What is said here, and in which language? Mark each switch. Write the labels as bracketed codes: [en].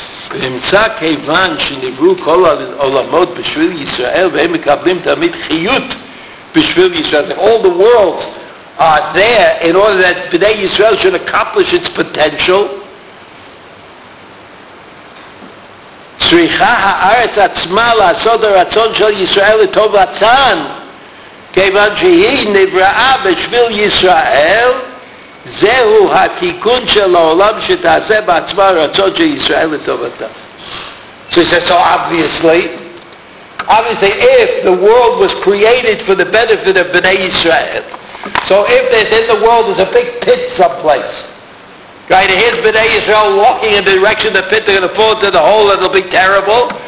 [he] ונמצא כיוון שנבראו כל העולמות בשביל ישראל, והם מקבלים תמיד חיות בשביל ישראל. [en] All the worlds are there in order that B'nai Yisrael should accomplish its potential. [he] צריכה הארץ עצמה לעשות הרצון של ישראל לטובתן, כיוון שהיא נבראה בשביל ישראל, זהו התיקון של העולם שתעשה בעצמה הרצון של ישראל לטובתן. [en] So he says, so obviously, if the world was created for the benefit of B'nai Yisrael, so if there's in the world is a big pit someplace, right, and here's B'nai Yisrael walking in the direction of the pit, they're going to fall into the hole and it'll be terrible.